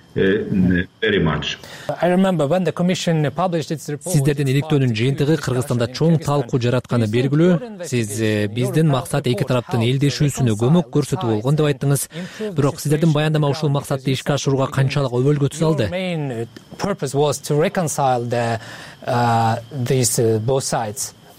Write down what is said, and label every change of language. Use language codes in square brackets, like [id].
[en] Very much. I remember when the commission published its report. [ky] Сиздердин иликтөөнүн жыйынтыгы Кыргызстанда чоң талкуу жаратканы белгилүү. Сиз биздин максат эки тараптын элдешүүсүнө көмөк көрсөтүү болгон деп айттыңыз. Бирок сиздердин баяндама ушул максатты ишке ашырууга канчалык өбөлгөтүз алды? [en] Purpose was to reconcile these both sides.